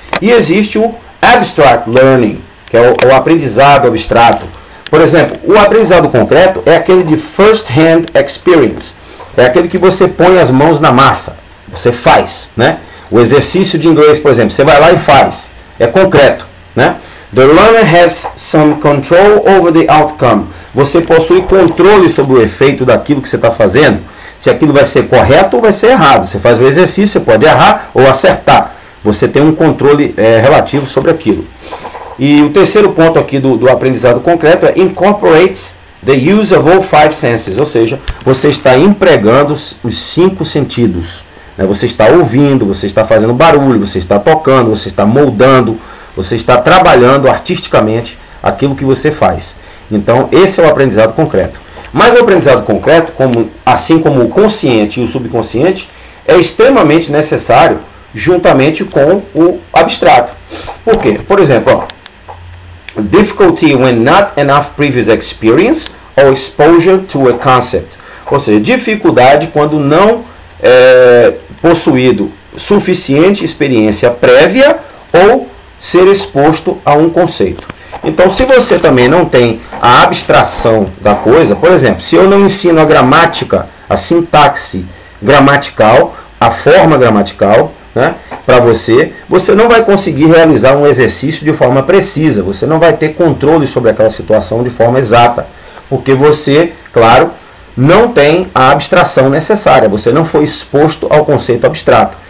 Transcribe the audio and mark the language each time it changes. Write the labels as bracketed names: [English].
[Portuguese] E existe o [English] abstract learning, [Portuguese] que é o aprendizado abstrato. Por exemplo, o aprendizado concreto é aquele de [English] first hand experience. [Portuguese] É aquele que você põe as mãos na massa. Você faz, né? O exercício de inglês, por exemplo, você vai lá e faz. É concreto, né? [English] The learner has some control over the outcome. [Portuguese] Você possui controle sobre o efeito daquilo que você está fazendo. Se aquilo vai ser correto ou vai ser errado. Você faz o exercício, você pode errar ou acertar. Você tem um controle relativo sobre aquilo. E o terceiro ponto aqui do aprendizado concreto é [English] incorporates the use of all five senses. [Portuguese] Ou seja, você está empregando os cinco sentidos. Né? Você está ouvindo, você está fazendo barulho, você está tocando, você está moldando. Você está trabalhando artisticamente aquilo que você faz. Então, esse é o aprendizado concreto. Mas o aprendizado concreto, assim como o consciente e o subconsciente, é extremamente necessário juntamente com o abstrato. Por quê? Por exemplo, [English] difficulty when not enough previous experience or exposure to a concept. [Portuguese] Ou seja, dificuldade quando não é possuído suficiente experiência prévia ou ser exposto a um conceito. Então, se você também não tem a abstração da coisa, por exemplo, se eu não ensino a gramática, a sintaxe gramatical, a forma gramatical, né, para você, você não vai conseguir realizar um exercício de forma precisa, você não vai ter controle sobre aquela situação de forma exata, porque você, claro, não tem a abstração necessária, você não foi exposto ao conceito abstrato.